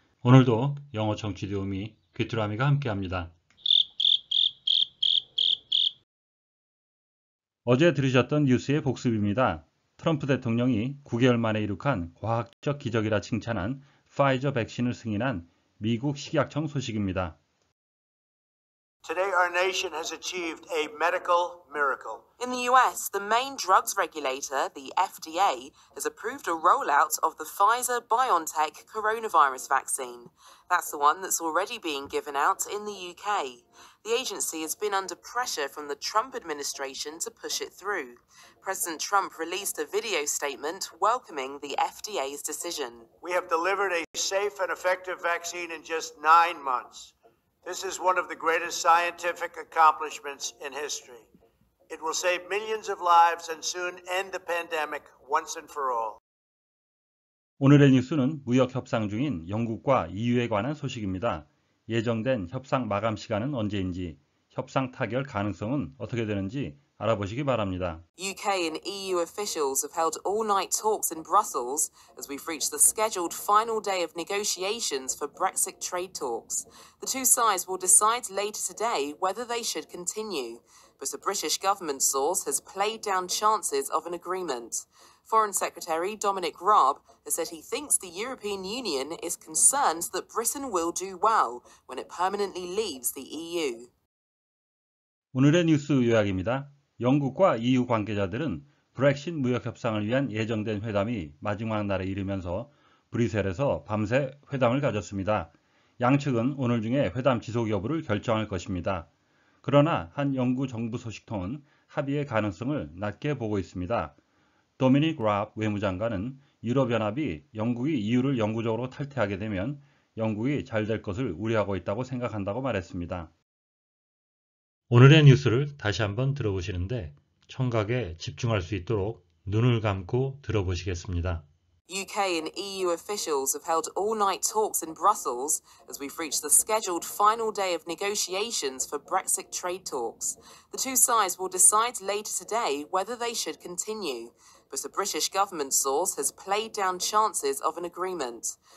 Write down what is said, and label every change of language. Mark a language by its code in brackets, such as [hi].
[ko] 오늘도 영어 청취 도우미 귀뚜라미가 함께합니다. 어제 들으셨던 뉴스의 복습입니다. 트럼프 대통령이 9개월 만에 이룩한 과학적 기적이라 칭찬한 파이저 백신을 승인한 미국 식약청 소식입니다. [en] Today, our nation has achieved a medical miracle. In the US, the main drugs regulator, the FDA, has approved a rollout of the Pfizer-BioNTech coronavirus vaccine. That's the one that's already being given out in the UK. The agency has been under pressure from the Trump administration to push it through. President Trump released a video statement welcoming the FDA's decision. We have delivered a safe and effective vaccine in just 9 months. This is one of the greatest scientific accomplishments in history. It will save millions of lives and soon end the pandemic once and for all. [ko] 오늘의 뉴스는 무역 협상 중인 영국과 EU에 관한 소식입니다. 예정된 협상 마감 시간은 언제인지, 협상 타결 가능성은 어떻게 되는지 알아보시기 바랍니다. [en] UK and EU officials have held all-night talks in Brussels as we've reached the scheduled final day of negotiations for Brexit trade talks. The two sides will decide later today whether they should continue, but a British government source has played down chances of an agreement. Foreign Secretary Dominic Raab has said he thinks the European Union is concerned that Britain will do well when it permanently leaves the EU. [ko] 오늘의 뉴스 요약입니다. 영국과 EU 관계자들은 브렉싯 무역 협상을 위한 예정된 회담이 마지막 날에 이르면서 브뤼셀에서 밤새 회담을 가졌습니다. 양측은 오늘 중에 회담 지속 여부를 결정할 것입니다. 그러나 한 영국 정부 소식통은 합의의 가능성을 낮게 보고 있습니다. 도미닉 랍 외무장관은 유럽연합이 영국이 EU를 영구적으로 탈퇴하게 되면 영국이 잘될 것을 우려하고 있다고 생각한다고 말했습니다. 오늘의 뉴스를 다시 한번 들어보시는데 청각에 집중할 수 있도록 눈을 감고 들어보시겠습니다. [en] UK and EU officials have held all-night talks in Brussels as we've reached the scheduled final day of negotiations for Brexit trade talks. The two sides will decide later today whether they should continue, but a British government source has played down chances of an agreement.